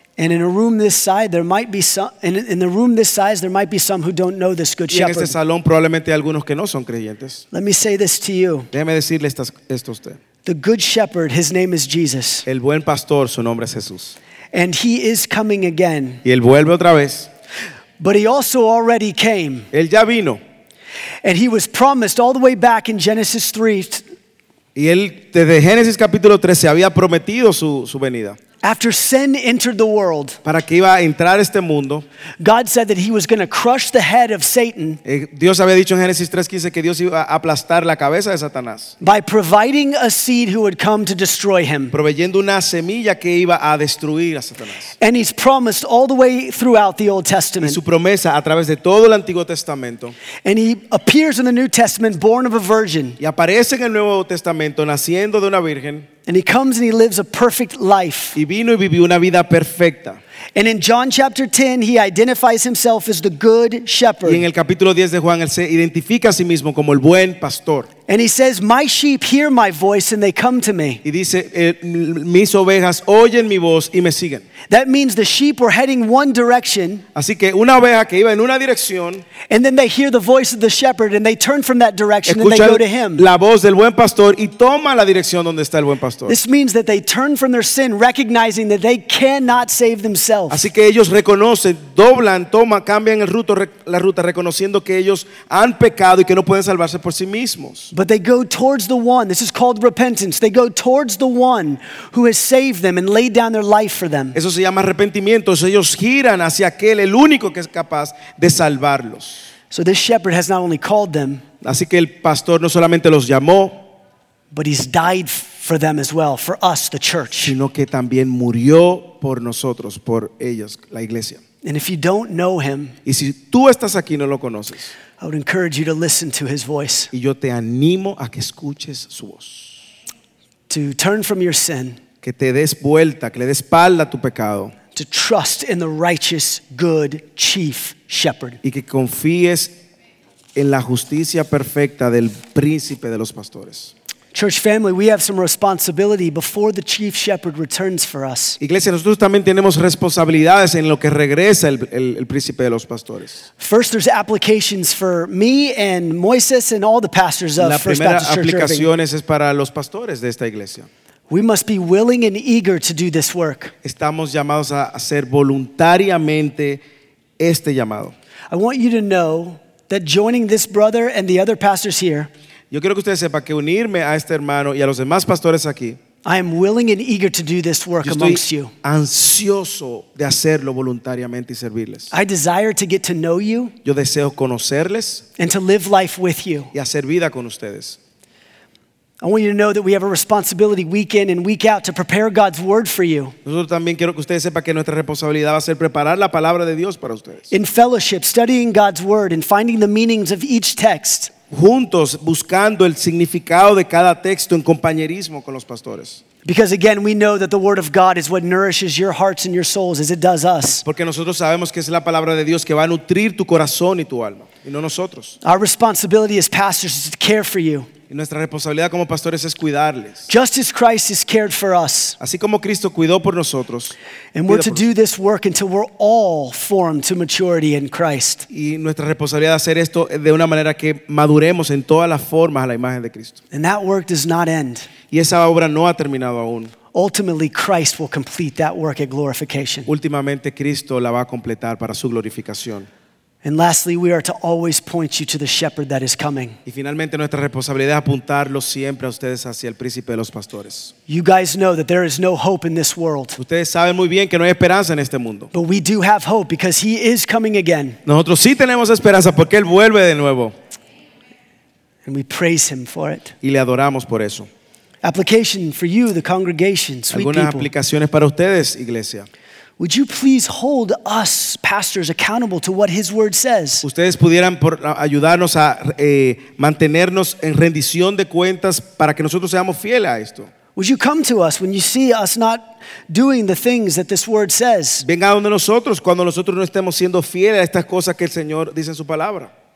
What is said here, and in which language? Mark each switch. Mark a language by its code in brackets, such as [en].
[en] and in a room this size, there might be some. In the room this size, there might be some who don't know this good shepherd. [es] Y en este salón probablemente hay algunos que no son creyentes. [en] Let me say this to you. [es] Déjeme decirle esto a usted. [en] The good shepherd, his name is Jesus. [es] El buen pastor, su nombre es Jesús. [en] And he is coming again. [es] Y él vuelve otra vez. [en] But he also already came. [es] Él ya vino. [en] And he was promised all the way back in Genesis 3. [es] Y él desde Génesis capítulo 3 se había prometido su venida. [en] After sin entered the world, [es] para que iba a entrar este mundo, [en] God said that he was going to crush the head of Satan. [es] Dios había dicho en Génesis 3:15 que Dios iba a aplastar la cabeza de Satanás. [en] By providing a seed who would come to destroy him. [es] Proveyendo una semilla que iba a destruir a Satanás. [en] And he's promised all the way throughout the Old Testament. [es] Y su promesa a través de todo el Antiguo Testamento. [en] And he appears in the New Testament born of a virgin. [es] Y aparece en el Nuevo Testamento naciendo de una virgen. [en] And he comes and he lives a perfect life. [es] Y vino y vivió una vida perfecta. [en] And in John chapter 10, he identifies himself as the good shepherd. [es] Y en el capítulo 10 de Juan, él se identifica a sí mismo como el buen pastor. [en] And he says, my sheep hear my voice and they come to me. [es] Y dice, mis ovejas oyen mi voz y me siguen. [en] That means the sheep were heading one direction. [es] Así que una oveja que iba en una dirección. [en] And then they hear the voice of the shepherd and they turn from that direction and they go to him. [es] La voz del buen pastor y toma la dirección donde está el buen pastor. [en] This means that they turn from their sin, recognizing that they cannot save themselves. [es] Así que ellos reconocen, doblan, toman, cambian la ruta, reconociendo que ellos han pecado y que no pueden salvarse por sí mismos. [en] But they go towards the one. This is called repentance. They go towards the one who has saved them and laid down their life for them. [es] Eso se llama arrepentimiento. Ellos giran hacia aquel, el único que es capaz de salvarlos. [en] So this shepherd has not only called them. [es] Así que el pastor no solamente los llamó. [en] But he's died for them as well, for us, the church. [es] Sino que también murió por nosotros, por ellos, la iglesia. [en] And if you don't know him. [es] Y si tú estás aquí y no lo conoces. [en] I would encourage you to listen to his voice. [es] Y yo te animo a que escuches su voz. [en] To turn from your sin. [es] Que te des vuelta, que le des espalda a tu pecado. [en] To trust in the righteous, good, chief shepherd. [es] Y que confíes en la justicia perfecta del príncipe de los pastores. [en] Church family, we have some responsibility before the chief shepherd returns for us. [es] Iglesia, nosotros también tenemos responsabilidades en lo que regresa el príncipe de los pastores. [en] First, there's applications for me and Moises and all the pastors of First Baptist Church. [es] La primera aplicación es para los pastores de esta iglesia. [en] We must be willing and eager to do this work. [es] Estamos llamados a hacer voluntariamente este llamado. [en] I want you to know that joining this brother and the other pastors here. [es] Yo quiero que ustedes sepan que unirme a este hermano y a los demás pastores aquí. [en] I am willing and eager to do this work amongst you. [es] Ansioso de hacerlo voluntariamente y servirles. [en] I desire to get to know you. [es] Yo deseo conocerles. [en] And to live life with you. [es] Y hacer vida con ustedes. [en] I want you to know that we have a responsibility week in and week out to prepare God's word for you. [es] Nosotros también quiero que ustedes sepan que nuestra responsabilidad va a ser preparar la palabra de Dios para ustedes. [en] In fellowship, studying God's word and finding the meanings of each text. [es] Juntos buscando el significado de cada texto en compañerismo con los pastores. [en] Because again, we know that the word of God is what nourishes your hearts and your souls as it does us. [es] Porque nosotros sabemos que es la palabra de Dios que va a nutrir tu corazón y tu alma, y no nosotros. [en] Our responsibility as pastors is to care for you. [es] Y nuestra responsabilidad como pastores es cuidarles. [en] Just as Christ has cared for us. [es] Así como Cristo cuidó por nosotros. [en] And we're to do this work until we're all formed to maturity in Christ. [es] Y nuestra responsabilidad es hacer esto de una manera que maduremos en todas las formas a la imagen de Cristo. [en] And that work does not end. [es] Y esa obra no ha terminado aún. [en] Ultimately, Christ will complete that work at glorification. [es] Últimamente, Cristo la va a completar para su glorificación. [en] And lastly, we are to always point you to the shepherd that is coming. [es] Y finalmente nuestra responsabilidad es apuntarlo siempre a ustedes hacia el príncipe de los pastores. [en] You guys know that there is no hope in this world. [es] Ustedes saben muy bien que no hay esperanza en este mundo. [en] But we do have hope because he is coming again. [es] Nosotros sí tenemos esperanza porque él vuelve de nuevo. [en] And we praise him for it. [es] Y le adoramos por eso. [en] Application for you, the congregation, sweet people. [es] Algunas aplicaciones para ustedes, iglesia. [en] Would you please hold us pastors accountable to what his word says? [es] Ustedes pudieran ayudarnos a mantenernos en rendición de cuentas para que nosotros seamos fieles a esto. [en] Would you come to us when you see us not doing the things that this word says? [es] Venga donde nosotros cuando nosotros no estemos siendo fieles a estas cosas que el Señor dice en su palabra.